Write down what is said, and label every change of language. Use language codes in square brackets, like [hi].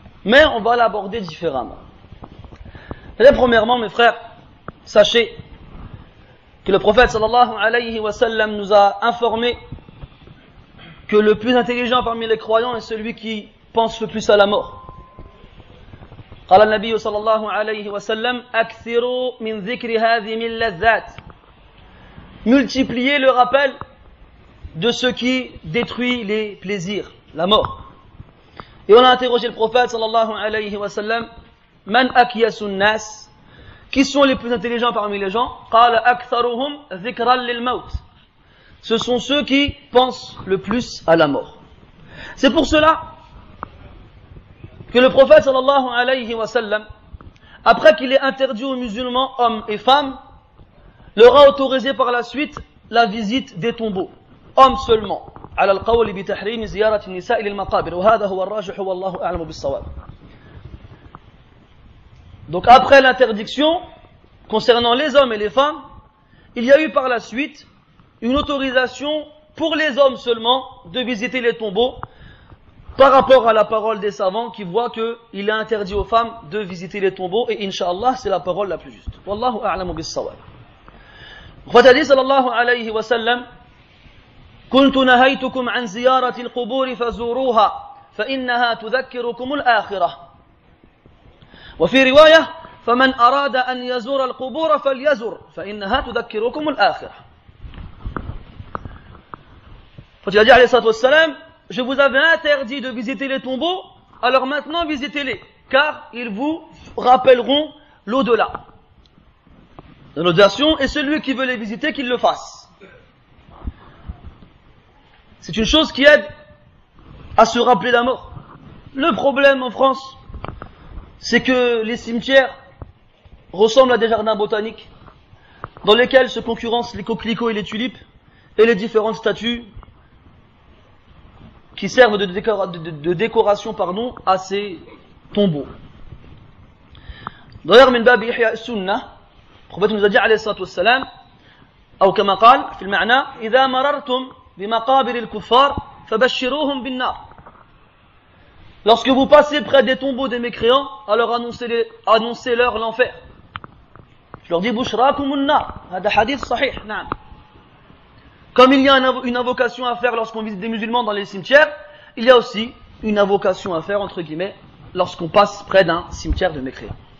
[fr] Mais on va l'aborder différemment. Et premièrement, mes frères, sachez que le prophète [ar] sallallahu alayhi wa sallam [fr] nous a informé que le plus intelligent parmi les croyants est celui qui pense le plus à la mort. [ar] قال النبي صلى الله عليه وسلم أكثروا من ذكر هذه من لذات [fr] Multipliez le rappel de ce qui détruit les plaisirs, la mort. Et on a interrogé le prophète [ar] صلى الله عليه وسلم من أكيس الناس [fr] Qui sont les plus intelligents parmi les gens [ar] قال أكثرهم ذكرا للموت [fr] Ce sont ceux qui pensent le plus à la mort. C'est pour cela que le prophète [ar] sallallahu alayhi wa sallam, [fr] après qu'il ait interdit aux musulmans, hommes et femmes, leur a autorisé par la suite la visite des tombeaux. Hommes seulement. [ar] على القول بتحريم زيارة النساء للمقابر. وهذا هو الراجح والله أعلم بالصواب. [fr] Donc après l'interdiction concernant les hommes et les femmes, il y a eu par la suite une autorisation pour les hommes seulement de visiter les tombeaux. Par rapport à la parole des savants qui voient qu'il est interdit aux femmes de visiter les tombeaux et Inch'Allah, c'est la parole la plus juste. [ar] Wallahu a'lamu bis-sawab. [fr] Quand il dit [ar] sallallahu alayhi wa sallam, كنت نهيتكم عن زيارة القبور فزوروها فإنها تذكركم الآخرة. وفي رواية فمن أراد أن يزور القبور فليزر فإنها تذكركم الآخرة. [fr] Quand il a dit [ar] alayhi salatu wassalam, [fr] je vous avais interdit de visiter les tombeaux, alors maintenant visitez-les, car ils vous rappelleront l'au-delà. Dans notre version, et celui qui veut les visiter, qu'il le fasse. C'est une chose qui aide à se rappeler la mort. Le problème en France, c'est que les cimetières ressemblent à des jardins botaniques, dans lesquels se concurrencent les coquelicots et les tulipes, et les différentes statues qui servent de décoration à ces tombeaux. D'ailleurs, [ar] min babi ihya sunnah, [fr] le prophète nous a dit, [ar] alayhi salatu wassalam, أو كما قال في المعنى إذا مررتم بمقابر الكفار فبشروهم بالنار. [fr] Lorsque vous passez près des tombeaux des mécréants, alors annoncez-leur l'enfer. Je leur dis [ar] بشراكم النار. هذا حديث صحيح. نعم. [fr] Comme il y a une invocation à faire lorsqu'on visite des musulmans dans les cimetières, il y a aussi une invocation à faire, entre guillemets, lorsqu'on passe près d'un cimetière de mécréants.